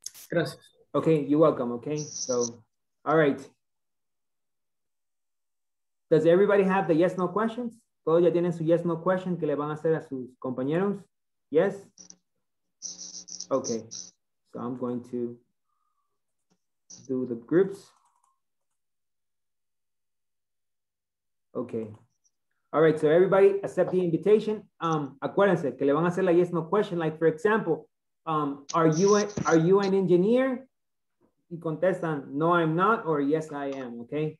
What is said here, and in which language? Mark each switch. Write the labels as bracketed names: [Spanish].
[Spanish] Gracias. [English] Okay, you're welcome. Okay, so, all right. Does everybody have the yes, no questions? [Spanish] ¿Todos ya tienen su yes, no question que le van a hacer a sus compañeros? [English] Yes? Okay, so I'm going to do the groups. Okay. All right, so everybody accept the invitation. [Spanish] Acuérdense que le van a hacer la yes no question. [English] Like for example, are you an engineer? [Spanish] Y contestan, [English] no, I'm not, or yes, I am, okay?